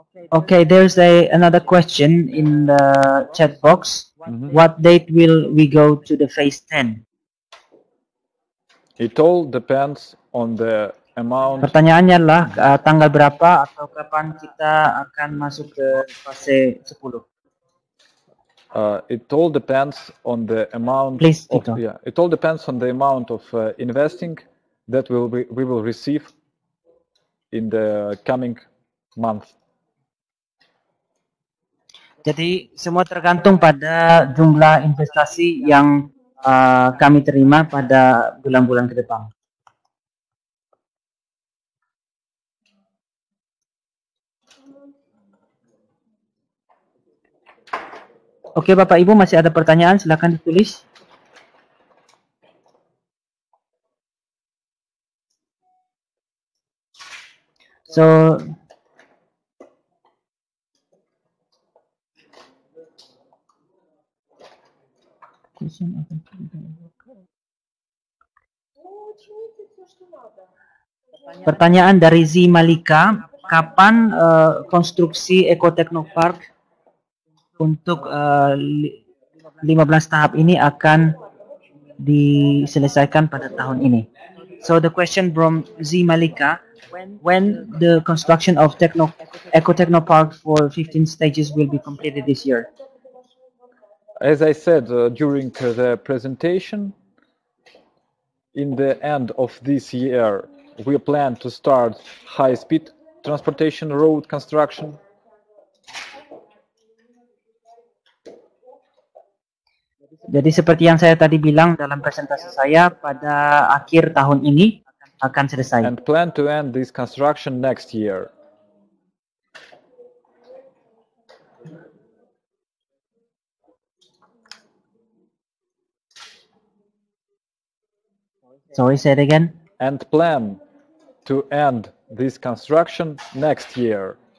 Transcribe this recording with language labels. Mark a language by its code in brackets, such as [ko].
[en] Okay, there's another question in the chat box. Mm-hmm. What date will we go to the phase 10? It all depends on the amount. [id] Pertanyaannya adalah tanggal berapa atau kapan kita akan masuk ke fase 10? [en] It all depends on the amount. Please, of, yeah, it all depends on the amount of investing that we will receive in the coming month. [id] Jadi semua tergantung pada jumlah investasi yang kami terima pada bulan-bulan ke depan. Oke, Bapak Ibu masih ada pertanyaan, silakan ditulis. So pertanyaan dari Z Malika, kapan konstruksi Eco Technopark untuk 15 tahap ini akan diselesaikan pada tahun ini? [en] So the question from Z Malika, when the construction of Eco Technopark for 15 stages will be completed this year? As I said during the presentation, in the end of this year, we plan to start high-speed transportation road construction. [id] Jadi seperti yang saya tadi bilang dalam presentasi saya, pada akhir tahun ini akan selesai. [en] And plan to end this construction next year. Sorry, say it again. And plan to end this construction next year.